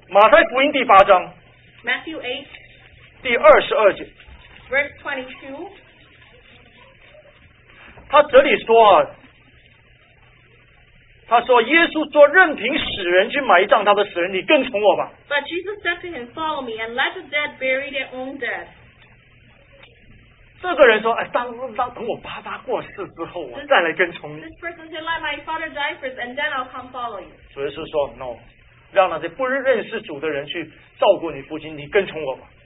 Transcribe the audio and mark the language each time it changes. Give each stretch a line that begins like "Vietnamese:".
Chinese: 马太福音第八章。Matthew
English: 8.
Chinese: 第22节。
English: Verse 22.
Chinese: 他这里说，他说耶稣说任凭死人去埋葬他的死人，你跟从我吧。
English: But Jesus said to him, follow me and let the dead bury their own dead.
Chinese: 这个人说，哎，等我爸爸过世之后，我再来跟从你。
English: This person said, let my father die first and then I'll come follow you.
Chinese: 主耶稣说 ，
English: No。
Chinese: 让那些不认识主的人去照顾你父亲，你跟从我吧。